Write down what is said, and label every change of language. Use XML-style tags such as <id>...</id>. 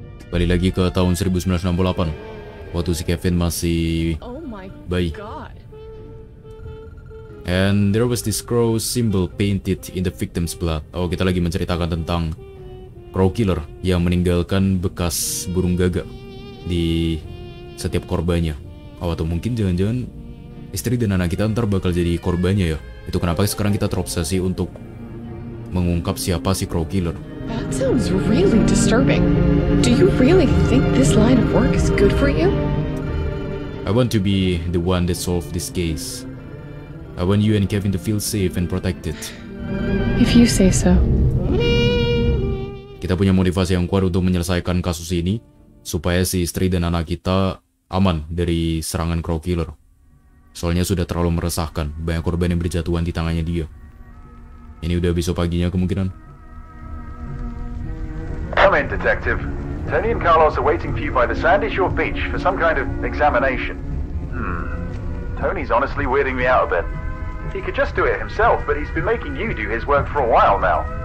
<id>Balik lagi ke tahun 1968, waktu si Kevin masih bayi.</id> <en>And there was this crow symbol painted in the victim's blood.</en> <id>Oh, kita lagi menceritakan tentang crow killer yang meninggalkan bekas burung gagak di setiap korbannya. Oh, atau mungkin jangan-jangan istri dan anak kita ntar bakal jadi korbannya ya. Itu kenapa sekarang kita terobsesi untuk mengungkap siapa si Crow Killer.</id> <en>That sounds really disturbing. Do you really think this line of work is good for you? I want to be the one that solve this case. I want you and Kevin to feel safe and protected. If you say so.</en> <id>Kita punya motivasi yang kuat untuk menyelesaikan kasus ini supaya si istri dan anak kita aman dari serangan Crow Killer. Soalnya sudah terlalu meresahkan, banyak korban yang berjatuhan di tangannya dia. Ini udah besok paginya kemungkinan.</id> <en>Come in, detective. Tony and Carlos are waiting for you by the sandy shore beach for some kind of examination. Tony's honestly weirding me out a bit. He could just do it himself, but he's been making you do his work for a while now.</en>